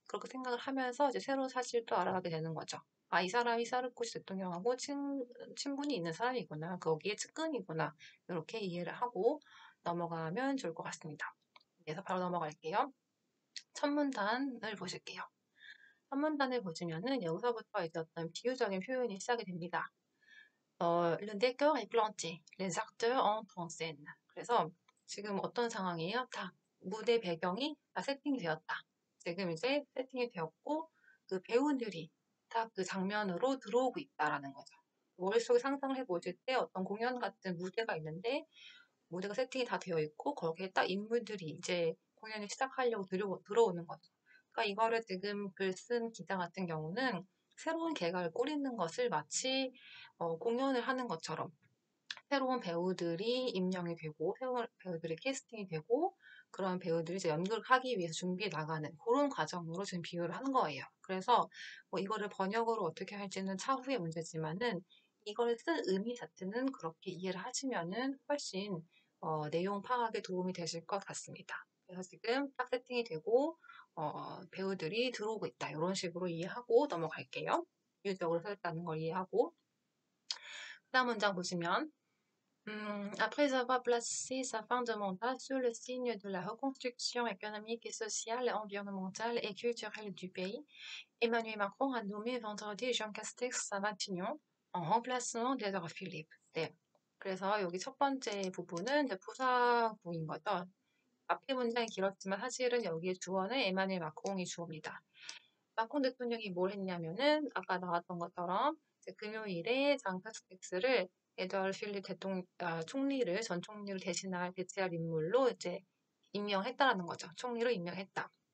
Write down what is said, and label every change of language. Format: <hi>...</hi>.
<ko>그렇게 생각을 하면서 이제 새로운 사실도 알아가게 되는 거죠. 아, 이 사람이 사르코시 대통령하고 친분이 있는 사람이구나. 거기에 측근이구나. 이렇게 이해를 하고 넘어가면 좋을 것 같습니다. 그래서 바로 넘어갈게요. 첫 문단을 보실게요. 첫 문단을 보시면은 여기서부터 이제 어떤 비유적인 표현이 시작이 됩니다.</ko> <fr>Le décor est planté, les acteurs ont pensé.</fr> <ko>그래서 지금 어떤 상황이에요? 다 무대 배경이 다 세팅이 되었다. 지금 이제 세팅이 되었고, 그 배우들이 다그 장면으로 들어오고 있다라는 거죠. 머릿속에 상상을 해보실 때 어떤 공연 같은 무대가 있는데, 무대가 세팅이 다 되어 있고, 거기에 딱 인물들이 이제 공연을 시작하려고 들어오는 거죠. 그러니까 이거를 지금 글쓴 기자 같은 경우는 새로운 계획을 꾸리는 것을 마치 공연을 하는 것처럼 새로운 배우들이 임명이 되고, 새로운 배우들이 캐스팅이 되고, 그런 배우들이 이제 연극을 하기 위해서 준비해 나가는 그런 과정으로 지금 비유를 하는 거예요. 그래서 뭐 이거를 번역으로 어떻게 할지는 차후의 문제지만은 이걸 쓴 의미 자체는 그렇게 이해를 하시면은 훨씬 내용 파악에 도움이 되실 것 같습니다. 그래서 지금 딱 세팅이 되고 배우들이 들어오고 있다. 이런 식으로 이해하고 넘어갈게요. 비유적으로 썼다는 걸 이해하고 그 다음 문장 보시면</ko> <fr>Après avoir placé sa fin de mandat sous le signe de la reconstruction économique, sociale, environnementale et culturelle du pays, Emmanuel Macron a nommé vendredi Jean Castex à Matignon en remplacement d'Édouard Philippe.</fr> <ko>네. 그래서 여기 첫 번째 부분은 부사구인 거죠. 앞에 문장이 길었지만 사실은 여기에 주어는 에마뉘엘 마크롱이 주어입니다. 마크롱 대통령이 뭘 했냐면은 아까 나왔던 것처럼 이제 금요일에 장 카스텍스를 에드워드 필립 총리를 전 총리를 대체할 인물로 이제 임명했다라는 거죠. 총리로 임명했다.</ko>